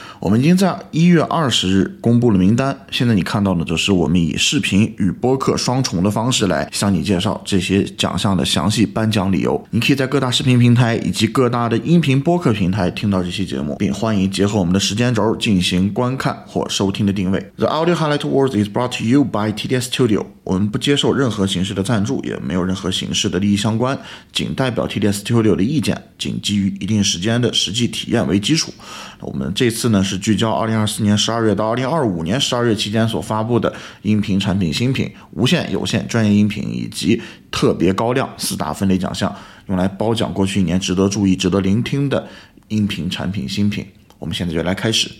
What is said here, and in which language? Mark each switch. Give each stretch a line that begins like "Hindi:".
Chinese: 我们已经在1月20日公布了名单，现在你看到的就是我们以视频与播客双重的方式来向你介绍这些奖项的详细颁奖理由。你可以在各大视频平台以及各大的音频播客平台听到这期节目，并欢迎结合我们的时间轴进行观看或收听的定位。
English: The Audio Highlight Awards is brought to you by TDS Studio。
Chinese: 我们不接受任何形式的赞助，也没有任何形式的利益相关，仅代表 TDS Studio 的意见，仅基于一定时间的实际体验为基础。我们这次呢是聚焦2024年12月到2025年12月期间所发布的音频产品新品、无线、有线、专业音频以及特别高亮四大分类奖项，用来褒奖过去一年值得注意、值得聆听的音频产品新品。我们现在就来开始。